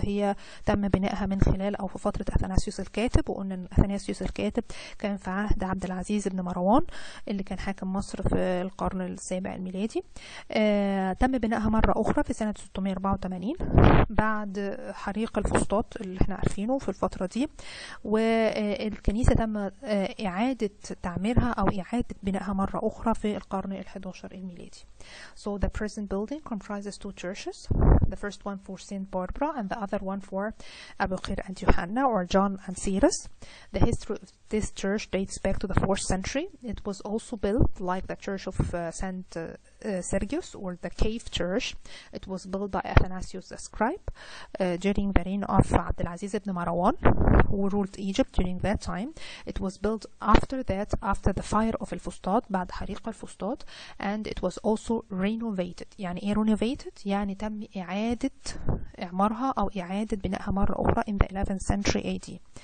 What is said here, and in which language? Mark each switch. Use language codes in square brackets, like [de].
[ar] هي تم بنائها من خلال أو في فترة أثناسيوس الكاتب، وقلنا أن أثناسيوس الكاتب كان في عهد عبد العزيز بن مروان اللي كان حاكم مصر في القرن السابع الميلادي. تم بناءها مرة أخرى في سنة 684 بعد حريق الفسطاط اللي احنا عارفينه في الفترة دي، والكنيسة تم إعادة تعميرها أو إعادة بناءها مرة أخرى في القرن الحداشر الميلادي. [en] So the present building comprises two churches. The first one for Saint Barbara and the other one for Abuqir and Johanna or John and Cyrus. The history of this church dates back to the 4th century. It was also built like the church of Saint Sergius or the cave church. It was built by Athanasius the scribe during the reign of Abdulaziz ibn Marwan, who ruled Egypt during that time. It was built after that, after the fire of Al-Fustat, [ar] بعد حريق الفسطاط, [en] and it was also renovated. [ar] يعني إيه renovated؟ يعني تم إعادة إعمارها أو إعادة بنائها مرة أخرى [en] in the 11th century AD.